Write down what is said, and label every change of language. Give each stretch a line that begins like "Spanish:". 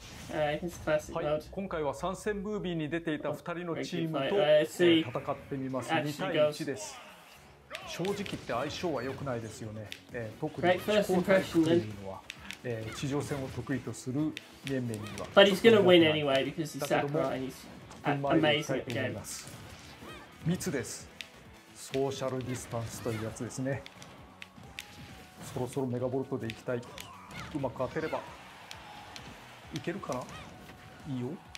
Japanese: はい、今回は参戦ムービーに出ていた2人のチームと戦ってみます。 2対1です。正直言って相性は良くないですよね。特に地方対空というのは、地上戦を得意とする面々には。
English: But he's gonna win anyway because he's Sakurai. He's amazing at games.
Japanese: 密です。ソーシャルディスタンスというやつですね。そろそろメガボルトで行きたい。うまく当てればいけるかな。いいよ。